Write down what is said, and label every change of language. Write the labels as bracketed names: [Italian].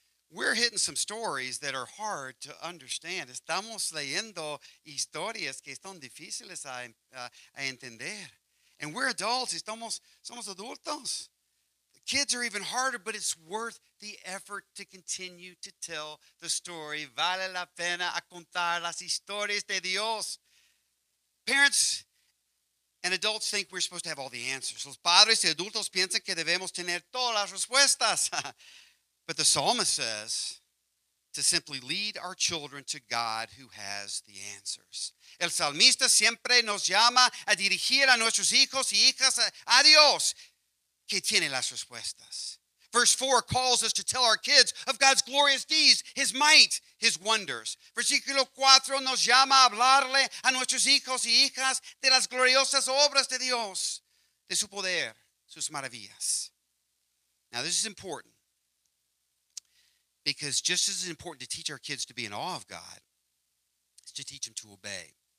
[English] We're hitting some stories that are hard to understand. [Spanish] Estamos leyendo historias que son difíciles a entender. [English] And we're adults. [Spanish] Somos adultos. [English] Kids are even harder, but it's worth the effort to continue to tell the story. [Spanish] Vale la pena a contar las historias de Dios. [English] Parents and adults think we're supposed to have all the answers. [Spanish] Los padres y adultos piensan que debemos tener todas las respuestas. [English] But the psalmist says to simply lead our children to God who has the answers. [Spanish] El salmista siempre nos llama a dirigir a nuestros hijos y hijas a Dios que tiene las respuestas. [English] Verse 4 calls us to tell our kids of God's glorious deeds, his might, his wonders. [Spanish] Versículo 4 nos llama a hablarle a nuestros hijos y hijas de las gloriosas obras de Dios, de su poder, sus maravillas. [English] Now this is important. Because just as it's important to teach our kids to be in awe of God, is to teach them to obey.